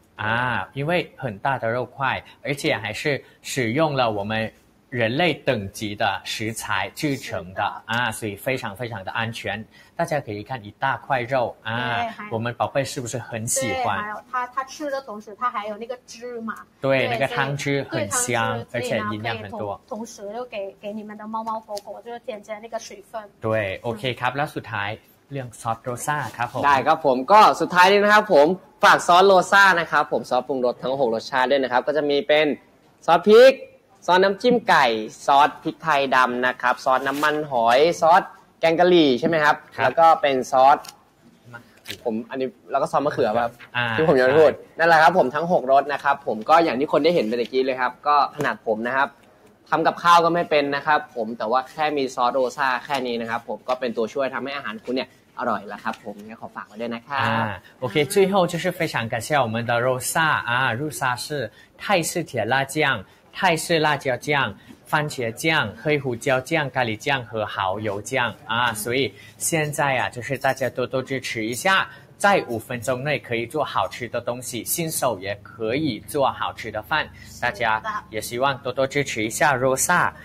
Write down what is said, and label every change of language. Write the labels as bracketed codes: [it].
[zh] 啊，因为很大的肉块，而且还是使用了我们人类等级的食材制成 的啊，所以非常非常的安全。大家可以看一大块肉啊，我们宝贝是不是很喜欢？对，还有他吃的同时，他还有那个汁嘛，对，那个汤汁很香，而且营养很多。同时又给你们的猫猫狗狗就是添加那个水分。对 [th] ，OK ครับ，แล้วสุดท้ายเรื่องซอสโรซ่าครับผม ได้ครับผมก็สุดท้ายนี้นะครับผมฝากซอสโรซ่านะครับผมซอสปรุงรสทั้ง6รสชาติด้วยนะครับก็จะมีเป็นซอสพริกซอสน้ำจิ้มไก่ซอสพริกไทยดำนะครับซอสน้ำมันหอยซอสแกงกะหรี่ใช่ไหมครับแล้วก็เป็นซอส ผมอันนี้แล้วก็ซอสมะเขือครับที่ผมยังพูดนั่นแหละครับผมทั้ง6รสนะครับผมก็อย่างที่คนได้เห็นไปตะกี้เลยครับก็ขนาดผมนะครับทำกับข้าวก็ไม่เป็นนะครับผมแต่ว่าแค่มีซอสโรซ่าแค่นี้นะครับผมก็เป็นตัวช่วยทำให้อาหารคุณเนี่ยอร่อยแล้วครับผมขอฝากไว้ด้วยนะครับ โอเค [zh] 最后就是非常感谢我们的 Rosa 啊 ，Rosa 是泰式甜辣酱、泰式辣椒酱、番茄酱、黑胡椒酱、咖喱酱和蚝油酱啊，所以现在啊，就是大家多多支持一下，在五分钟内可以做好吃的东西，新手也可以做好吃的饭，大家也希望多多支持一下 Rosa。